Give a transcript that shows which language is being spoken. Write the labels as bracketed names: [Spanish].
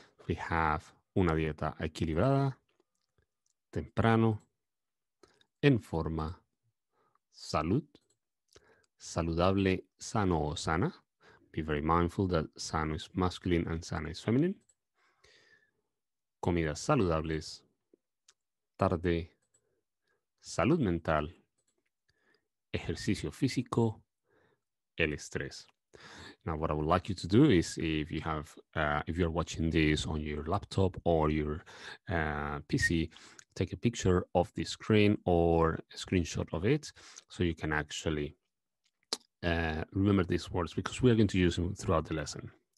[English] We have [Spanish] una dieta equilibrada, temprano, en forma, salud, saludable, sano o sana. [English] Be very mindful that sano is masculine and sana is feminine. [Spanish] Comidas saludables, tarde, salud mental, ejercicio físico, el estrés. [English] Now, what I would like you to do is if you have, if you're watching this on your laptop or your PC, take a picture of the screen or a screenshot of it so you can actually remember these words because we are going to use them throughout the lesson.